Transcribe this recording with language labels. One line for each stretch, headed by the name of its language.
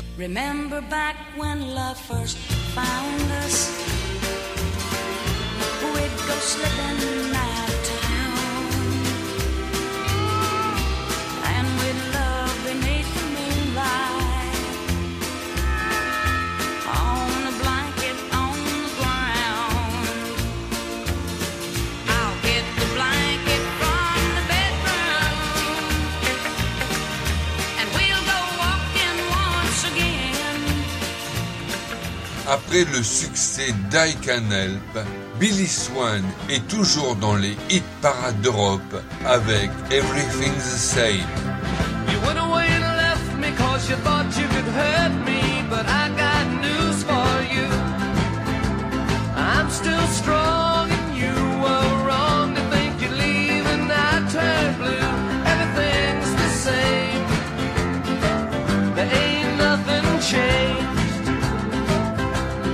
English: Remember back when love first found us, we'd go slipping out of town, and we'd love beneath the moonlight, on a blanket on the ground. I'll get the blanket from the bedroom, and we'll go walking once again.
French: Après le succès d'I Can Help, Billy Swan est toujours dans les hit parades d'Europe avec Everything's the Same.
English: You went away and left me cause you thought you could hurt me, but I got news for you. I'm still strong and you were wrong to think you'd leave and I turned blue. Everything's the same. There ain't nothing changed.